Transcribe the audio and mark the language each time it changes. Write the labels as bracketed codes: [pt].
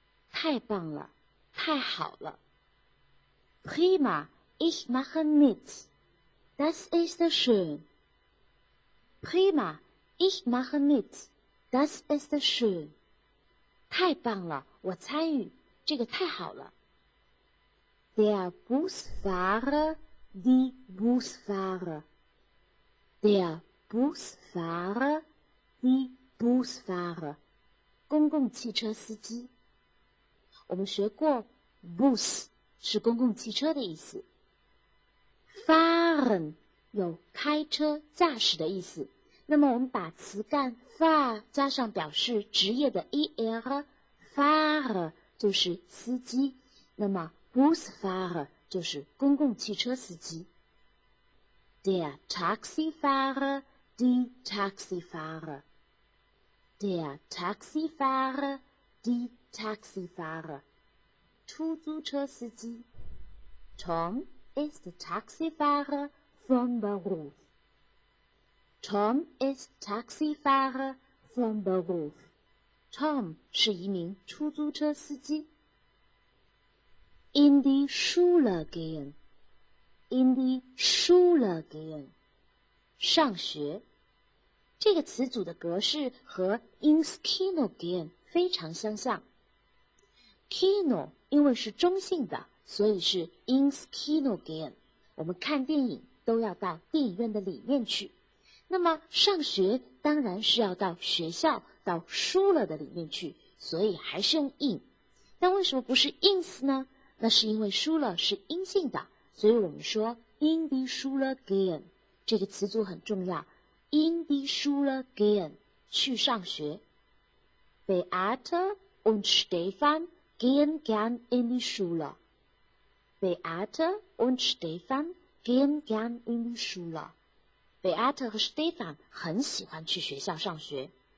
[zh] 太棒了，太好了。 [de] Prima, ich mache mit. Das ist schön. Prima, ich mache mit. Das ist schön. [zh] 太棒了，我参与，这个太好了。 [de] Der Busfahrer, die Busfahrer. Der Busfahrer, die Busfahrer. [zh] 公共汽车司机。我们学过 Bus 是公共汽车的意思。 [de] Fahren [zh] 有开车、驾驶的意思。那么我们把词干 fahr 加上表示职业的 er， fahr 就是司机，那么 Busfahrer 就是公共汽车司机。 [de] Der Taxifahrer, die Taxifahrer. Der Taxifahrer, die Taxifahrer. [zh] 出租车司机。 [de] Tom ist Taxifahrer von Beruf. Tom ist Taxifahrer von Beruf. [zh] Tom 是一名出租车司机。 [de] In die Schule gehen. In die Schule gehen. [zh] 上学。这个词组的格式和 [de] ins Kino gehen [zh] 非常相像。 [de] Kino [zh] 因为是中性的，所以是 [de] ins Kino gehen。 [zh] 我们看电影都要到电影院的里面去。那么上学当然是要到学校，到书了的里面去，所以还是用 in。但为什么不是 ins 呢？那是因为书了是阴性的。所以我们说 [de] in die Schule gehen [zh] 这个词组很重要 in die Schule gehen 去上学 [de] Beate und Stefan gehen gern in die Schule Beate und Stefan gehen gern in die Schule [zh] Beate 和 Stefan 很喜欢去学校上学